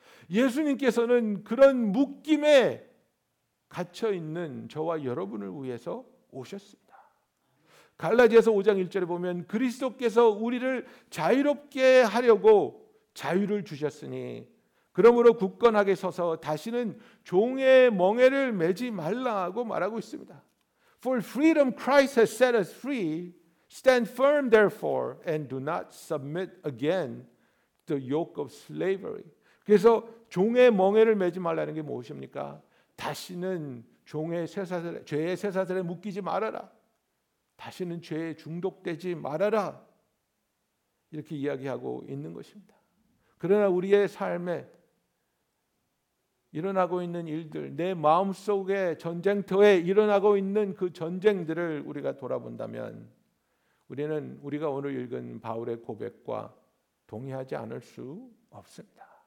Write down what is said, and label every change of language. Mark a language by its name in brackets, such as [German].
[Korean] 예수님께서는 그런 묶임에 갇혀있는 저와 여러분을 위해서 오셨습니다. 갈라디아서 5장 1절에 보면 그리스도께서 우리를 자유롭게 하려고 자유를 주셨으니 그러므로 굳건하게 서서 다시는 종의 멍에를 매지 말라고 말하고 있습니다. [English] For freedom Christ has set us free. Stand firm therefore and do not submit again to the yoke of slavery. [Korean] 그래서 종의 멍에를 매지 말라는 게 무엇입니까? 다시는 종의 쇠사슬에, 죄의 쇠사슬에 묶이지 말아라. 다시는 죄에 중독되지 말아라. 이렇게 이야기하고 있는 것입니다. 그러나 우리의 삶에 일어나고 있는 일들, 내 마음속에 전쟁터에 일어나고 있는 그 전쟁들을 우리가 돌아본다면 우리는 우리가 오늘 읽은 바울의 고백과 동의하지 않을 수 없습니다.